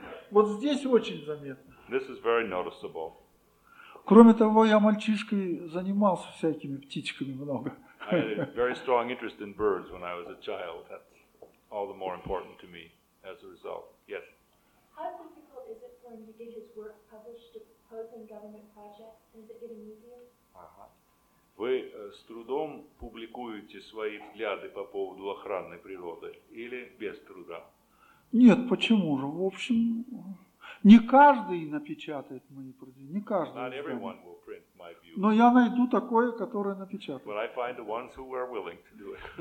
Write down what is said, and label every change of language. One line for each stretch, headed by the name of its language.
Russian: Вот здесь очень заметно.
English: This is very noticeable.
Russian: Кроме того, я мальчишкой занимался всякими птичками много.
English: I had a very strong interest in birds when I was a child. That's all the more important to me as a result. Yes. How difficult is it for him to get his work published opposing government projects? Is it getting easier?
Russian: Вы с трудом публикуете свои взгляды по поводу охранной природы или без труда? Нет, почему же? В общем, не каждый напечатает мои произведения, не каждый.
English: Not everyone will print my view.
Russian: Но я найду такое, которое напечатает.
English: But I find the ones who are willing to do it.